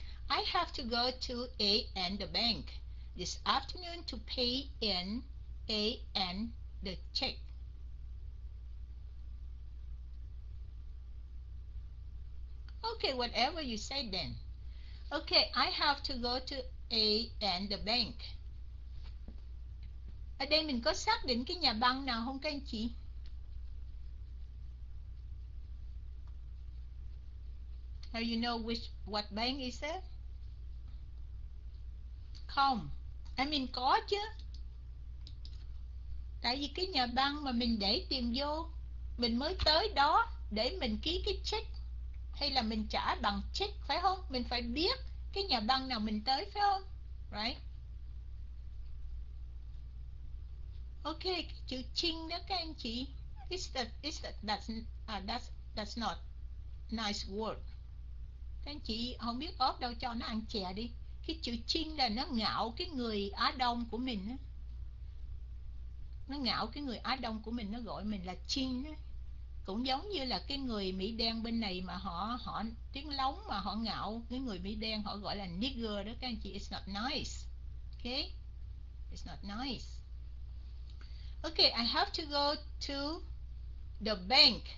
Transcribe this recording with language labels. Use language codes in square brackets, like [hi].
[en] I have to go to A&N the bank this afternoon to pay in A&N the check. Okay, whatever you say then. Okay, I have to go to A&N the bank. [vi] Ở đây mình có xác định cái nhà băng nào không các anh chị? [en] Do you know which what bank is it? [vi] Không, mình có chứ. Tại vì cái nhà băng mà mình để tiền vô, mình mới tới đó để mình ký cái check hay là mình trả bằng check phải không? Mình phải biết cái nhà băng nào mình tới phải không? Right? Okay, chữ Trinh đó các anh chị. [en] That's not nice word. [vi] Các anh chị không biết ốp đâu cho nó ăn chè đi. Cái chữ Trinh là nó ngạo cái người Á Đông của mình đó. Nó ngạo cái người Á Đông của mình, nó gọi mình là Trinh đó. Cũng giống như là cái người Mỹ đen bên này mà họ họ tiếng lóng mà họ ngạo, cái người Mỹ đen họ gọi là nigger đó các anh chị. [en] It's not nice. Okay? It's not nice. Okay, I have to go to the bank.